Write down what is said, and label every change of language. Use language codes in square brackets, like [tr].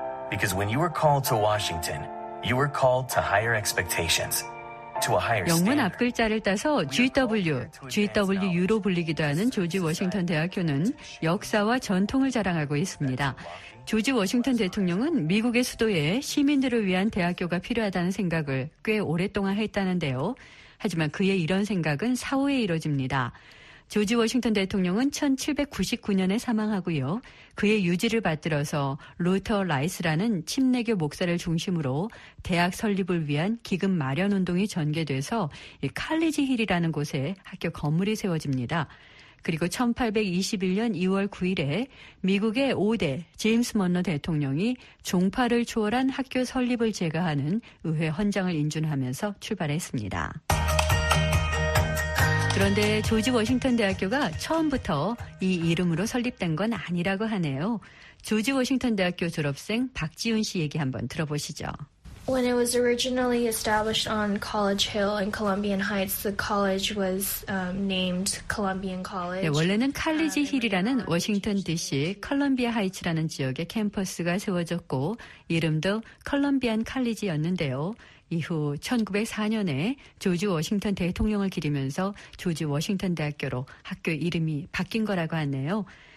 [en] Because when you were called to Washington, you were called to higher expectations. [ko] 영문 앞글자를 따서 GW로 불리기도 하는 조지 워싱턴 대학교는 역사와 전통을 자랑하고 있습니다. 조지 워싱턴 대통령은 미국의 수도에 시민들을 위한 대학교가 필요하다는 생각을 꽤 오랫동안 했다는데요. 하지만 그의 이런 생각은 사후에 이뤄집니다. 조지 워싱턴 대통령은 1799년에 사망하고요. 그의 유지를 받들어서 루터 라이스라는 침례교 목사를 중심으로 대학 설립을 위한 기금 마련 운동이 전개돼서 이 칼리지 힐이라는 곳에 학교 건물이 세워집니다. 그리고 1821년 2월 9일에 미국의 5대 제임스 먼러 대통령이 종파를 초월한 학교 설립을 제거하는 의회 헌장을 인준하면서 출발했습니다. 그런데 조지 워싱턴 대학교가 처음부터 이 이름으로 설립된 건 아니라고 하네요. 조지 워싱턴 대학교 졸업생 박지훈 씨 얘기 한번 들어보시죠. [en] When it was originally established on College Hill in Columbian Heights, the college was named Columbian College. [ko] 네, 원래는 칼리지 힐이라는 워싱턴 DC 컬럼비아 하이츠라는 지역에 캠퍼스가 세워졌고 이름도 컬럼비안 칼리지였는데요. 이후 1904년에 조지 워싱턴 대통령을 기리면서 조지 워싱턴 대학교로 학교 이름이 바뀐 거라고 하네요.